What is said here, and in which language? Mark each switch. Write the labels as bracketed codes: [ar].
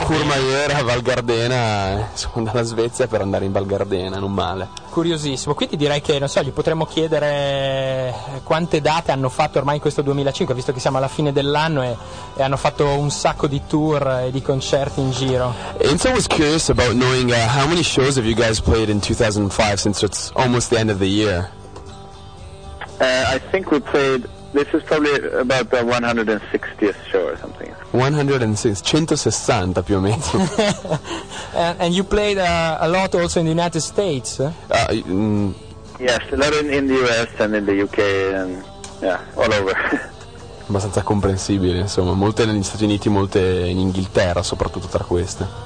[it] a Courmayeur, a Val Gardena, sono andato alla Svezia per andare in Val Gardena, non male. Curiosissimo, quindi direi che non so, gli potremmo chiedere quante date hanno fatto ormai in questo 2005, visto che siamo alla fine dell'anno e hanno fatto un sacco di tour e di concerti in giro. [en] Enzo was curious about knowing how many shows have you guys played in 2005, since it's almost the end of the year. I think we played, this is probably about the 160th show or something. [it] 160 più o meno. [en] And you played a lot also in the United States. Yes, a lot in the US and in the UK and yeah, all over. [it] Abbastanza comprensibile, insomma, molte negli Stati Uniti, molte in Inghilterra, soprattutto tra queste.